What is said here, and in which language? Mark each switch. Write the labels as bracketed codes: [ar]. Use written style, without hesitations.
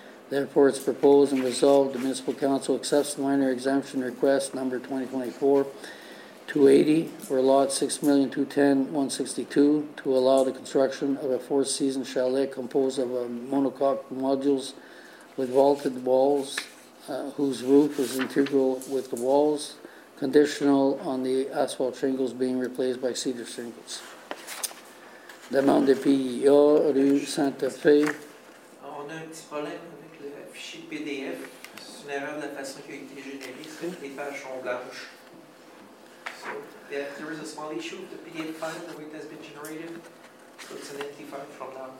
[en] Therefore, it's proposed and resolved the Municipal Council accepts the minor exemption request number 2024-280 for lot 6,210,162 to allow the construction of a four-season chalet composed of monocoque modules with vaulted walls, whose roof is integral with the walls, conditional on the asphalt shingles being replaced by cedar shingles. [fr] Demande de PIA, rue Sainte-Fé. On a un petit problème avec le fichier PDF. C'est une erreur de la façon qui a été générée. C'est que les pages sont blanches. [en] So, there is a small issue with the PDF file, the way it has been generated. So, it's an empty file from now on.